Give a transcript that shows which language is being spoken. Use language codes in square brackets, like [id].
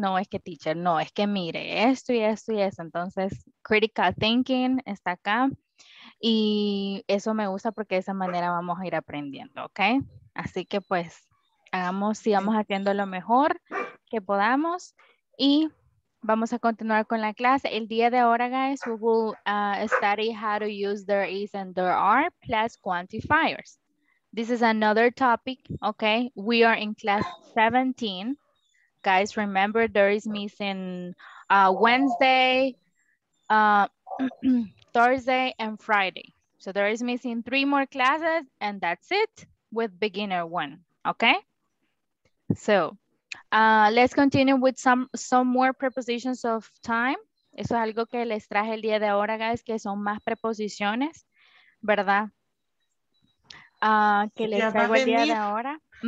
[es] No es que teacher, no, es que mire esto y esto y eso. Entonces, critical thinking está acá. Y eso me gusta porque de esa manera vamos a ir aprendiendo, ¿ok? Así que pues, hagamos, sigamos haciendo lo mejor que podamos. Y vamos a continuar con la clase. El día de ahora, [en] guys, we will study how to use there is and there are plus quantifiers. This is another topic, okay? We are in class 17. Guys, remember there is missing Wednesday, Thursday, and Friday. So there is missing 3 more classes, and that's it with beginner one, okay? So let's continue with some more prepositions of time. [es] Eso es algo que les traje el día de ahora, guys, que son más preposiciones, ¿verdad? Que les traigo el día de ahora.